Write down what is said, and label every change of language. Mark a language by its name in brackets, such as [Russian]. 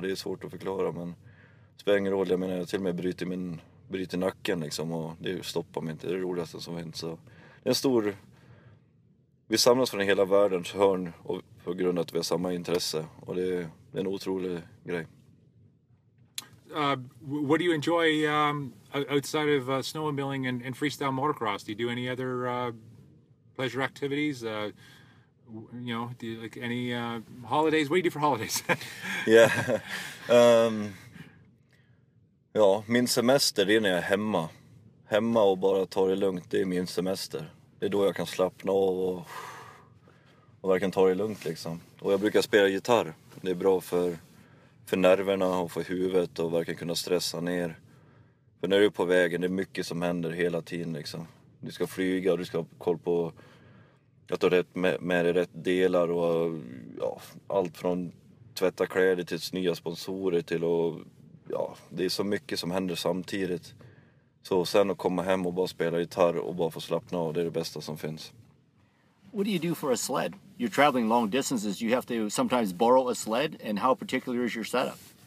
[Swedish] Det är svårt att förklara, men det spelar ingen roll. Jag menar, jag till och med bryter nacken liksom, och det stoppar mig inte. Det är det roligaste som finns. Så det är en stor... Vi samlas från hela världens hörn och på grund av att vi har samma intresse. Och det är en otrolig grej. [English] What do you enjoy outside of snowmobiling and freestyle motocross? Do you do any other pleasure activities? You know, do you like any holidays? What do you do for holidays? Yeah. [Swedish] Ja, min semester är när jag är hemma. Hemma och bara tar det lugnt, det är min semester. Det är då jag kan slappna av och verkligen ta det lugnt liksom. Och jag brukar spela gitarr. Det är bra för nerverna och för huvudet och verkligen kunna stressa ner. För när du är på vägen, det är mycket som händer hela tiden liksom. Du ska flyga och du ska ha koll på att du har med dig rätt delar och ja, allt från tvätta kläder till nya sponsorer till och ja, det är så mycket som händer samtidigt. Så sen att komma hem och bara spela gitarr och bara få slappna av, det är det bästa som finns. [English] What do you do for a sled? You're traveling long distances. You have to sometimes borrow a sled. And how particular is your setup?